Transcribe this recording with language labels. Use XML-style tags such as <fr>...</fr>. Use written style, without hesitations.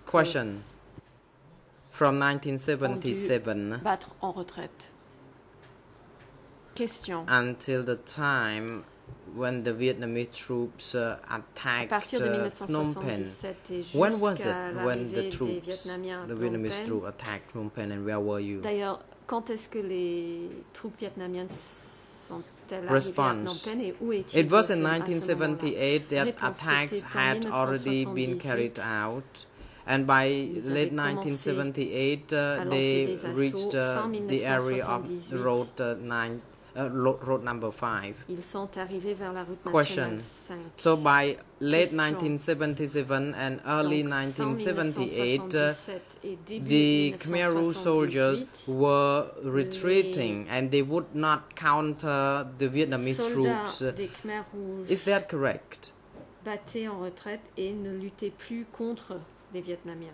<en>Question. From 1977</en> <fr>battre en retraite.</fr> <en>Question. Until the time when the Vietnamese troops attacked Phnom Penh. When was it when the troops, the Vietnamese troops attacked Phnom Penh, and where were you?</en> <fr>D'ailleurs, quand est-ce que les troupes vietnamiennes sont-elles arrivées à Phnom Penh et où étiez-vous à ce moment-là?</fr> <en>Response. It was in 1978 that attacks had already been carried out. And by late 1978, they reached the area of the road 9. Road number 5.</en> <fr>Ils sont arrivés vers la route</fr> <en>Question.</en> <fr>5.</fr> <en>So by late 1977 and early 1978, the Khmer Rouge soldiers were retreating and they would not counter the Vietnamese troups. Is that correct?</en> <fr>battait en retraite et ne luttait plus contre les Vietnamiens.</fr>